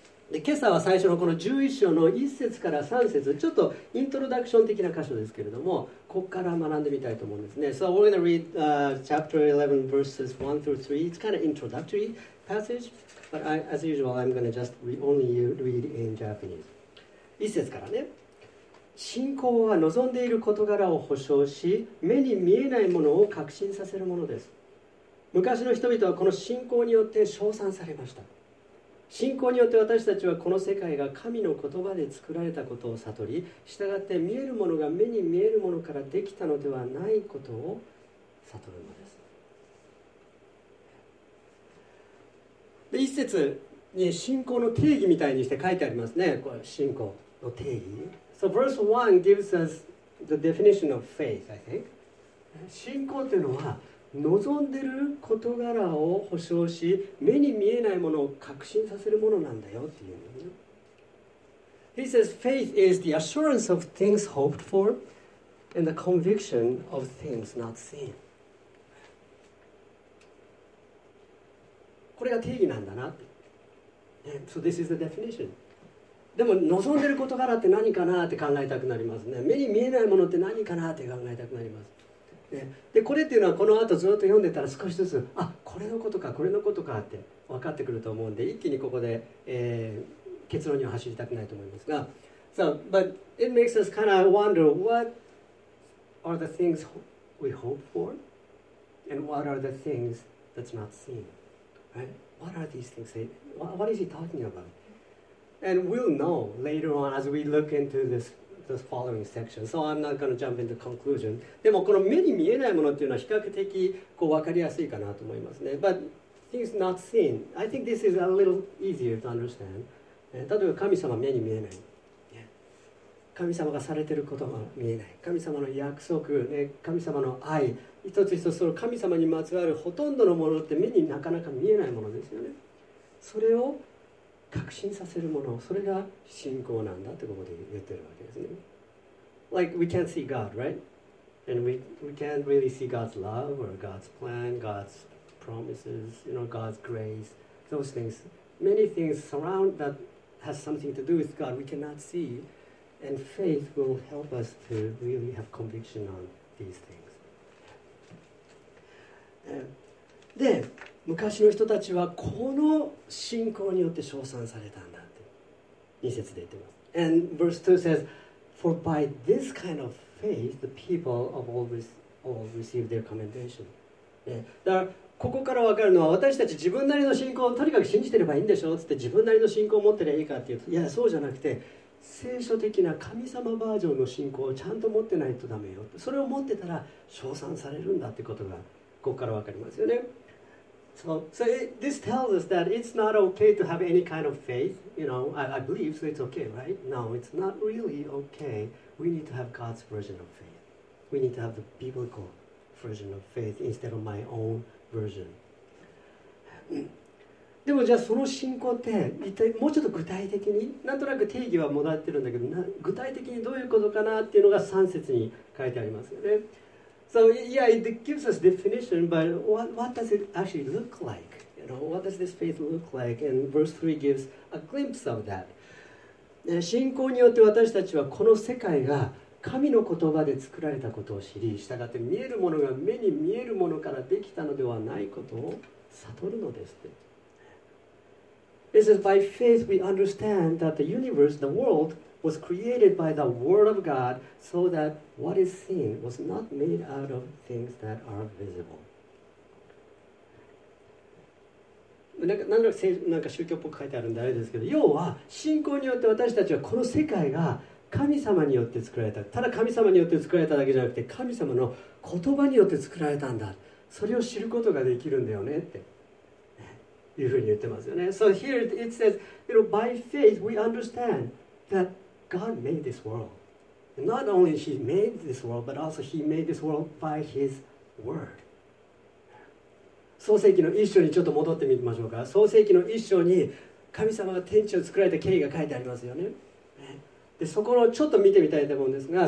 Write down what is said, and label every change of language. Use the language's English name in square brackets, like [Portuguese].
[Japanese] で、今朝は最初のこの11章の1節から3節、ちょっとイントロダクション的な箇所ですけれども、ここから学んでみたいと思うんですね。 [English] So we're going to read chapter 11 verses 1 through 3. It's kind of introductory passage. But I, as usual, I'm going to just only read in Japanese. [Japanese] 一節からね。信仰は望んでいる事柄を保証し、目に見えないものを確信させるものです。昔の人々はこの信仰によって称賛されました。信仰によって私たちはこの世界が神の言葉で作られたことを悟り、従って見えるものが目に見えるものからできたのではないことを悟るのです。で一節に信仰の定義みたいにして書いてありますね。これ信仰の定義。 [English] So verse 1 gives us the definition of faith, I think. [Japanese] 信仰というのは望んでる事柄を保証し、目に見えないものを確信させるものなんだよっていう。 [English] He says faith is the assurance of things hoped for and the conviction of things not seen. [Japanese] これが定義なんだな。 [English] So this is the definition. [Japanese] でも望んでる事柄って何かなって考えたくなりますね。目に見えないものって何かなって考えたくなります。でこれっていうのはこの後ずっと読んでたら少しずつあこれのことかこれのことかって分かってくると思うんで一気にここで、結論には走りたくないと思いますが、 [English] So but it makes us kind of wonder what are the things we hope for and what are the things that's not seen, right? What are these things? What is he talking about? And we'll know later on as we look into this. This following section. So I'm not going to jump into conclusion. [Japanese] でもこの目に見えないものっていうのは比較的こう分かりやすいかなと思いますね。 [English] But things not seen, I think this is a little easier to understand. [Japanese] 例えば神様目に見えない。神様がされていることが見えない。神様の約束、神様の愛、一つ一つその神様にまつわるほとんどのものって目になかなか見えないものですよね。それを確信させるもの、それが信仰なんだってここで言ってるわけですね。 [English] Like we can't see God, right? And we can't really see God's love or God's plan, God's promises, you know, God's grace. Those things, many things surround that has something to do with God we cannot see. And faith will help us to really have conviction on these things. [Japanese] で昔の人たちはこの信仰によって称賛されたんだって2節で言ってます。 [English] And verse 2 says, For by this kind of faith, the people of all received their commendation.、 [Japanese] ね、だからここから分かるのは私たち自分なりの信仰をとにかく信じてればいいんでしょって自分なりの信仰を持ってればいいかっていうと、いやそうじゃなくて聖書的な神様バージョンの信仰をちゃんと持ってないとダメよ。それを持ってたら称賛されるんだってことがここから分かりますよね。 [English] So this tells us that it's not okay to have any kind of faith. You know, I believe, so it's okay, right? No, it's not really okay. We need to have God's version of faith. We need to have the biblical version of faith instead of my own version. [Japanese] でもじゃあその信仰って一体もうちょっと具体的に、なんとなく定義はもらってるんだけど、具体的にどういうことかなっていうのが3節に書いてありますよね。 [English] So yeah, it gives us definition, but what does it actually look like? You know, what does this faith look like? And verse 3 gives a glimpse of that. [Japanese] 信仰によって私たちはこの世界が神の言葉で作られたことを知り、したがって見えるものが目に見えるものからできたのではないことを悟るのです。 [English] This is by faith we understand that the universe, the world,was created by the word of God so that what is seen was not made out of things that are visible. [Japanese] なんか宗教っぽく書いてあるんであれですけど、要は信仰によって私たちはこの世界が神様によって作られた。ただ神様によって作られただけじゃなくて神様の言葉によって作られたんだ。それを知ることができるんだよねって。いうふうに言ってますよね。 [English] So here it says, you know, by faith we understand thatGod made this world. Not only He made this world, but also He made this world by His word. [Japanese] 創世記の一章にちょっと戻ってみましょうか。創世記の一章に神様が天地を作られた経緯が書いてありますよね。でそこをちょっと見てみたいと思うんですが、